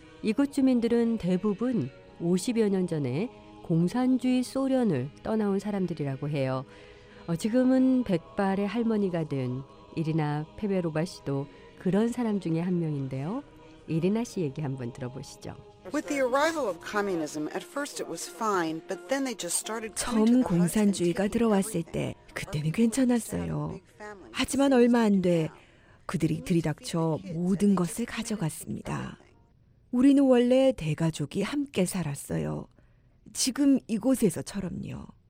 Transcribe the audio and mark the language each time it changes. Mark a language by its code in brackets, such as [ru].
[ko] 이곳 주민들은 대부분 50여 년 전에 공산주의 소련을 떠나온 사람들이라고 해요. 지금은 백발의 할머니가 된 이리나 페베로바 씨도 그런 사람 중에 한 명인데요. 이리나 씨 얘기 한번 들어보시죠. [en] With the arrival of communism, at first it was fine, but then they just started. [ko] 처음 공산주의가 들어왔을 때 그때는 괜찮았어요. 하지만 얼마 안 돼 그들이 들이닥쳐 모든 것을 가져갔습니다. 우리는 원래 대가족이 함께 살았어요. 지금 이곳에서처럼요.